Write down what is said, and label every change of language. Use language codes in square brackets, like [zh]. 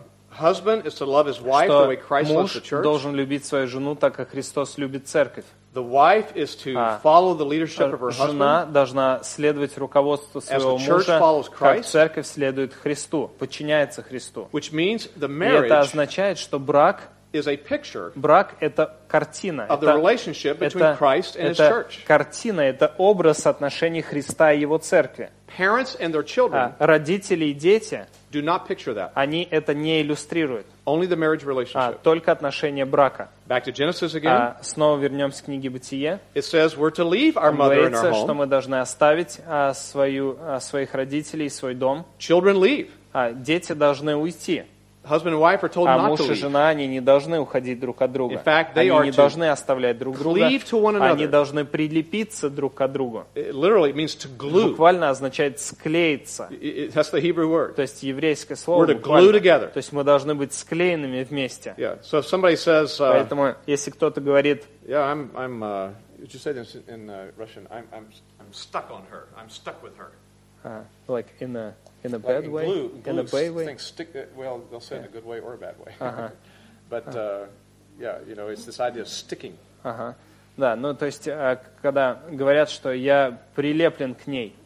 [en] Husband is to love his wife the way Christ loves the church. [ru] Должен любить свою жену так, как Христос любит церковь. [en] The wife is to follow the leadership of her husband. [ru] Жена должна следовать руководству своего мужа. [en] As the church follows Christ, [ru] как церковь следует Христу, подчиняется Христу. [en] Which means the marriage. [ru] И это означает, что брак. [en] Is a picture. [ru] Брак это картина. [en] Of the relationship between Christ and his church. [ru] Это картина, это образ отношений Христа и его церкви. [en] Parents and their children. [ru] Родители и дети. [en] Do not picture that. [ru] Они это не иллюстрируют. [en] Only the marriage relationship. [ru] Только отношения брака. [en] Back to Genesis again. [ru] Снова вернемся к книге Бытие. [en] It says we're to leave our mother and our home. [ru] Говорится, что мы должны оставить своих родителей и свой дом. [en] Children leave. [ru] Дети должны уйти. [en] Husband and wife are told not to leave. [ru] Муж и жена, они не должны уходить друг от друга. [en] In fact, they [ru] они не должны оставлять друг друга. [en] Cleave to one another. [ru] Они должны прилепиться друг к другу. [en] Literally, it means to glue. [ru] Буквально означает склеиться. [en] That's the Hebrew word. [ru] То есть еврейское слово. [en] We're to glue together. [ru] То есть мы должны быть склеенными вместе. [en] Yeah. So if somebody says, [ru] поэтому если кто-то говорит, [en] yeah, I'm, would you say this in Russian? I'm stuck on her. I'm stuck with her. Like in a bad way, glue, in a bad way. Things stick. Well, they'll say in a good way or a bad way. Uh-huh. But you know, it's this idea of sticking. Uh-huh. [ru] Да, ну то есть, когда говорят, что я прилеплен к ней.